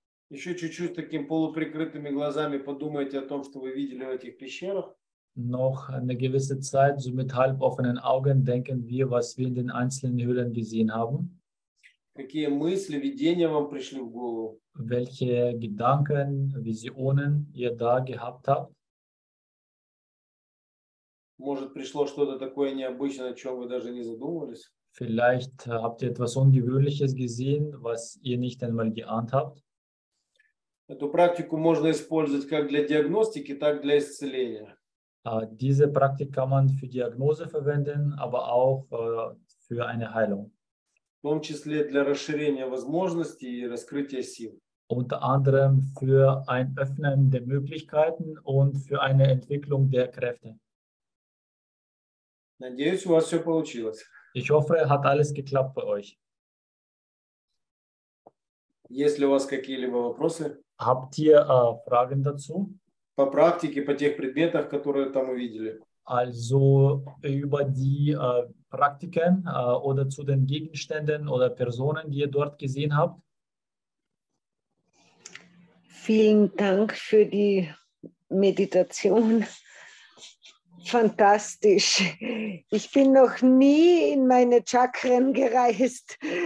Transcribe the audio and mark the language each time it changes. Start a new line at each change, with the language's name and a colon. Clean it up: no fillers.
Russian: Еще чуть-чуть таким полуприкрытыми глазами подумайте о том, что вы видели в этих пещерах.
German: Noch eine gewisse Zeit, so mit halboffenen Augen, denken wir, was wir in den einzelnen Höhlen gesehen haben.
Russian: Какие мысли, видения вам пришли в голову?
German: Welche Gedanken, Visionen ihr da gehabt habt?
Russian: Может, пришло что-то такое необычное, о чем вы даже не задумывались?
German: Vielleicht habt ihr etwas Ungewöhnliches gesehen, was ihr nicht einmal geahnt habt.
Russian: Эту практику можно использовать как для диагностики, так для исцеления.
German: Diese Praktik kann man für Diagnose verwenden, aber auch für eine Heilung.
Russian: В том числе для расширения возможностей и раскрытия сил.
German: Unter anderem für ein Öffnen der Möglichkeiten und für eine Entwicklung der Kräfte.
Russian: Надеюсь, у вас все получилось.
German: Ich hoffe, hat alles geklappt bei euch.
Russian: Есть ли у вас какие-либо вопросы?
German: Habt ihr Fragen dazu?
Russian: По практике, по тех предметах, которые там увидели.
German: Also über die Praktiken oder zu den Gegenständen oder Personen, die ihr dort gesehen habt. Vielen Dank für die Meditation. Fantastisch. Ich bin noch nie in meine Chakren gereist.